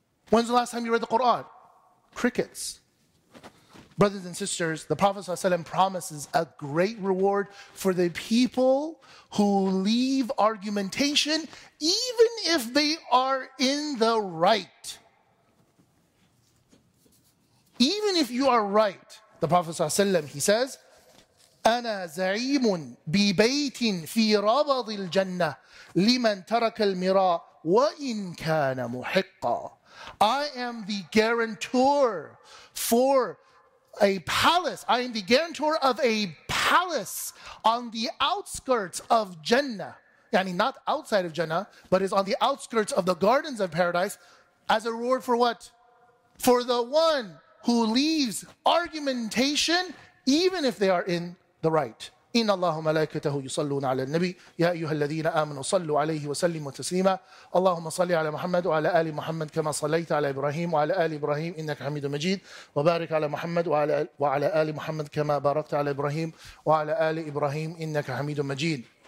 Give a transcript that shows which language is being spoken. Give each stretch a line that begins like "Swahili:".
English: When's the last time you read the Quran? Crickets. Brothers and sisters, the Prophet ﷺ promises a great reward for the people who leave argumentation, even if they are in the right. Even if you are right, the Prophet ﷺ, he says,
Arabic: أَنَا زَعِيمٌ بِبَيْتٍ فِي رَبَضِ الْجَنَّةِ لِمَنْ تَرَكَ الْمِرَاءِ وَإِنْ كَانَ مُحِقَّا.
English: I am the guarantor for a palace. I am the guarantor of a palace on the outskirts of Jannah. Yani not outside of Jannah, but is on the outskirts of the gardens of paradise. As a reward for what? For the one who leaves argumentation, even if they are in the right.
Arabic: إن الله ملائكته يصلون على النبي يا أيها الذين آمنوا صلوا عليه وسلموا تسليما اللهم صل على محمد وعلى آل محمد كما صليت على إبراهيم وعلى آل إبراهيم إنك حميد مجيد وبارك على محمد وعلى آل محمد كما باركت على إبراهيم وعلى آل إبراهيم إنك حميد مجيد